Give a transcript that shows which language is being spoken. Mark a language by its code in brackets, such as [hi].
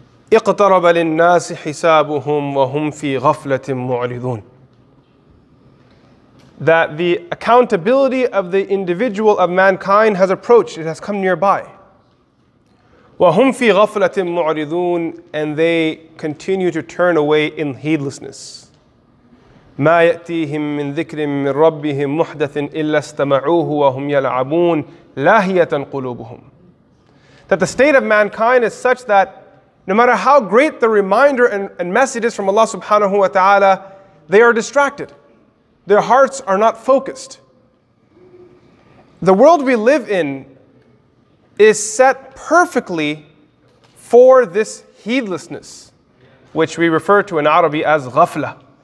[ar] اقترب للناس حسابهم وهم في غفلة معرضون. [en] That the accountability of the individual of mankind has approached, it has come nearby. [ar] وهم في غفلة معرضون, [en] and they continue to turn away in heedlessness. [ar] ما يأتيهم من ذكر من ربهم محدث إلا استمعوه وهم يلعبون لاهية قلوبهم. [en] That the state of mankind is such that no matter how great the reminder and message is from Allah subhanahu wa ta'ala, they are distracted. Their hearts are not focused. The world we live in is set perfectly for this heedlessness, which we refer to in Arabi as ghafla.